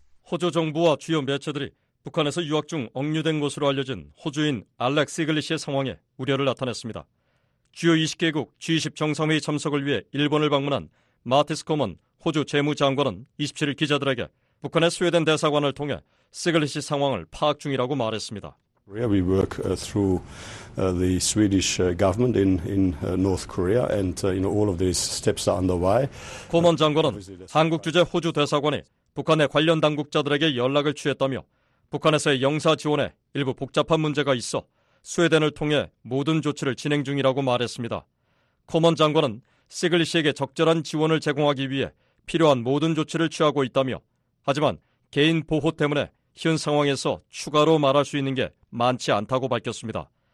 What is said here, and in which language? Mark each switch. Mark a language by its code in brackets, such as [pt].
[ko] 호주 정부와 주요 매체들이 북한에서 유학 중 억류된 것으로 알려진 호주인 알렉시 글리 씨의 상황에 우려를 나타냈습니다. 주요 20개국 G20 정상회의 참석을 위해 일본을 방문한 마티스 코먼 호주 재무장관은 27일 기자들에게 북한의 스웨덴 대사관을 통해 시글리 씨 상황을 파악 중이라고 말했습니다. [en] We work through the Swedish government in North Korea and you know all of these steps are underway. [ko] 코먼 장관은 한국 주재 호주 대사관이 북한의 관련 당국자들에게 연락을 취했다며 북한에서의 영사 지원에 일부 복잡한 문제가 있어 스웨덴을 통해 모든 조치를 진행 중이라고 말했습니다. 코먼 장관은 시글리 씨에게 적절한 지원을 제공하기 위해 필요한 모든 조치를 취하고 있다며 하지만 개인 보호 때문에 현 상황에서 추가로 말할 수 있는 게 많지 않다고 밝혔습니다.